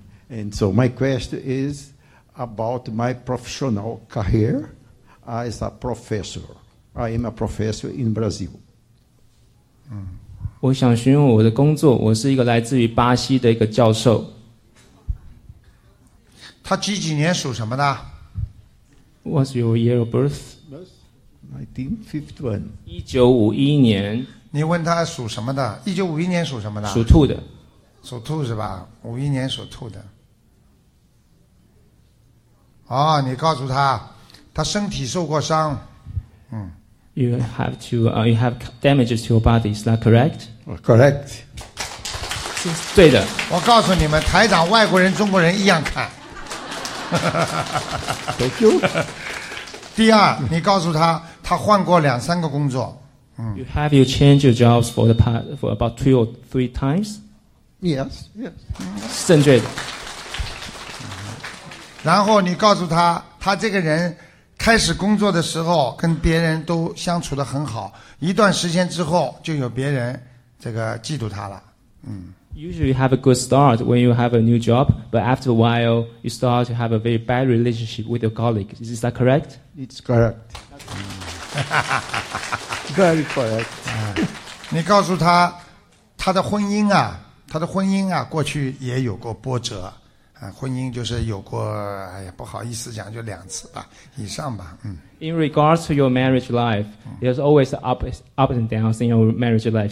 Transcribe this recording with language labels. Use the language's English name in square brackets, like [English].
[English] And so my question is about my professional career as a professor. I am a professor in Brazil. [Chinese] 我想询问我的工作，我是一个来自于巴西的一个教授。他几几年属什么的 [English] ？What's your year of birth? [Chinese] 1951。 1951年。你问他属什么的？1951年属什么的？属兔的。属兔是吧？51年属兔的。哦，你告诉他，他身体受过伤。 [English] You have damages to your body. Is that correct? Correct. [Chinese] 对的。我告诉你们，台长，外国人、中国人一样看。 [English] Thank you. [Chinese] 第二，你告诉他，他换过两三个工作。 [English] You changed your jobs for about 2 or 3 times? Yes. Yes. [Chinese] 正确的。然后你告诉他，他这个人。开始工作的时候跟别人都相处得很好，一段时间之后就有别人这个嫉妒他了。 [English] Usually have a good start when you have a new job, but after a while you start to have a very bad relationship with your colleagues. Is that correct? It's correct. Very correct. [Chinese] 你告诉他，他的婚姻啊，过去也有过波折。婚姻就是有过，哎呀，不好意思讲，就两次吧，以上吧， [English] In regards to your marriage life, there's always ups and downs in your marriage life.